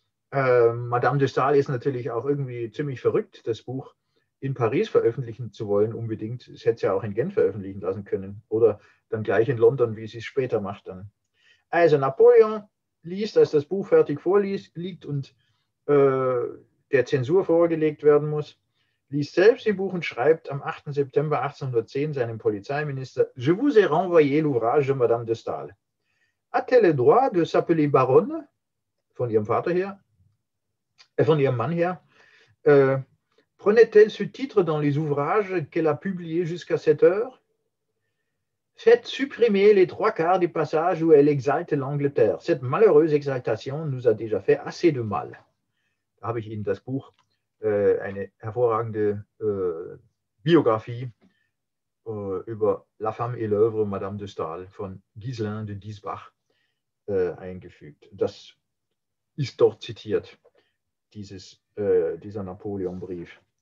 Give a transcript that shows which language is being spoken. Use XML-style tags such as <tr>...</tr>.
<de>Madame de Staël ist natürlich auch irgendwie ziemlich verrückt, das Buch in Paris veröffentlichen zu wollen unbedingt. Es hätte sie ja auch in Genf veröffentlichen lassen können oder dann gleich in London, wie sie es später macht dann. Also Napoleon liest, als das Buch fertig vorliegt und der Zensur vorgelegt werden muss, liest selbst im Buch und schreibt am 8. September 1810 seinem Polizeiminister:</de> <fr>Je vous ai renvoyé l'ouvrage de Madame de Staël. A-t-elle le droit de s'appeler Baronne?</fr> <de>Von ihrem Vater her? Von ihrem Mann her?</de> <fr>Prenait-elle ce titre dans les ouvrages qu'elle a publiés jusqu'à cette heure? Faites supprimer les trois quarts des passages où elle exalte l'Angleterre. Cette malheureuse exaltation nous a déjà fait assez de mal.</fr> <de>Da habe ich Ihnen das Buch, eine hervorragende Biografie über La femme et l'œuvre, Madame de Staël von Ghislain de Diesbach eingefügt. Das ist dort zitiert, dieser Napoleon-Brief.</de>